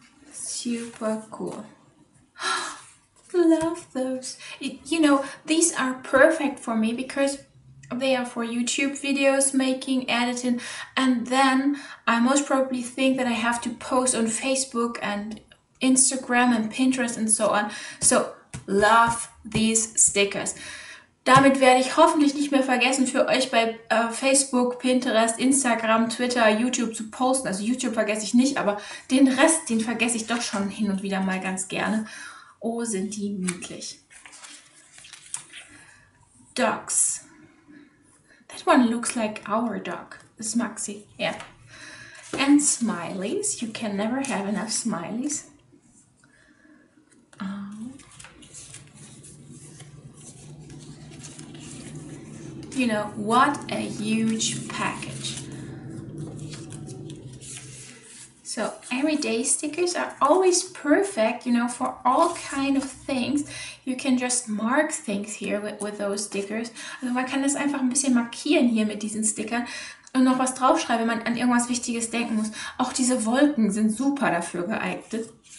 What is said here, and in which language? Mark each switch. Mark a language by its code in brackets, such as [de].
[en] Super cool. Love those. You know, these are perfect for me because they are for YouTube videos making, editing, and then I most probably think that I have to post on Facebook and Instagram and Pinterest and so on. So, love these stickers. [de] Damit werde ich hoffentlich nicht mehr vergessen, für euch bei Facebook, Pinterest, Instagram, Twitter, YouTube zu posten. Also YouTube vergesse ich nicht, aber den Rest, den vergesse ich doch schon hin und wieder mal ganz gerne. Oh, sind die niedlich. [en] Dogs. That one looks like our dog. It's Maxi. Yeah. And smileys. You can never have enough smileys. You know, what a huge package. So, everyday stickers are always perfect, you know, for all kind of things. You can just mark things here with those stickers. [de] Also man kann das einfach ein bisschen markieren hier mit diesen Stickern und noch was draufschreiben, wenn man an irgendwas Wichtiges denken muss. Auch diese Wolken sind super dafür geeignet.